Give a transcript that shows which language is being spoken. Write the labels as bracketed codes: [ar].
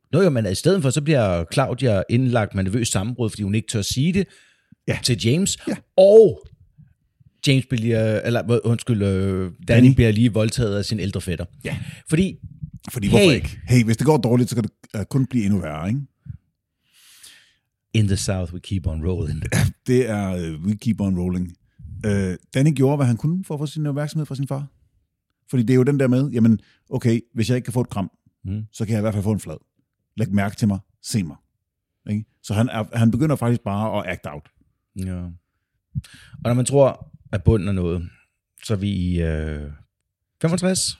[da] Nå jo, men i stedet for, så bliver Claudia indlagt med nervøs sammenbrud, fordi hun ikke tør sige det ja. Til James. Ja. Og James bliver, eller undskyld, Danny bliver lige voldtaget af sin ældre fætter. Ja. Fordi hvorfor ikke? Hey, hvis det går dårligt, så kan det kun blive endnu værre, ikke? [en] In the South, we keep on rolling. [da] Ja, det er, [en] we keep on rolling. [da] Danny gjorde, hvad han kunne for at få sin opmærksomhed fra sin far. Fordi det er jo den der med, jamen, okay, hvis jeg ikke kan få et kram, så kan jeg i hvert fald få en flad. Læg mærke til mig, se mig. Ikke? Så han begynder faktisk bare at act out. Ja. Og når man tror, at bunden er noget, så er vi i 65.